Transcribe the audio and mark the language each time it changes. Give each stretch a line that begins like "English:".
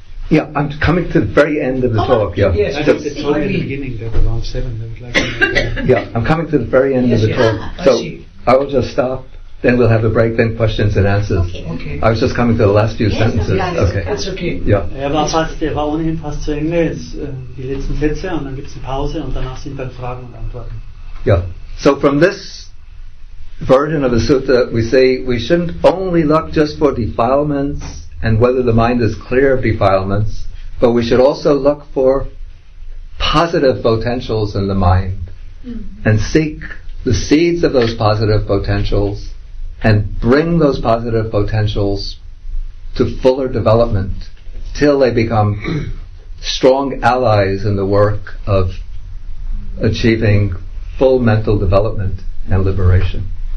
English: Yeah, I'm coming to the very end of the talk. Yeah, yes. I think it's only the beginning. That around 7 that we'd like. Yeah, I'm coming to the very end of the talk. So I will just stop. Then we'll have a break. Then questions and answers. Okay. I was just coming to the last few sentences. Yes. Okay. That's okay. Yeah.
German: Er war ohnehin fast zu Ende. Die letzten Sätze und dann gibt's eine Pause und danach sind dann Fragen und Antworten.
English: Yeah. So from this version of the sutta, we say we shouldn't only look just for defilements and whether the mind is clear of defilements, but we should also look for positive potentials in the mind and seek the seeds of those positive potentials and bring those positive potentials to fuller development till they become strong allies in the work of achieving full mental development and liberation.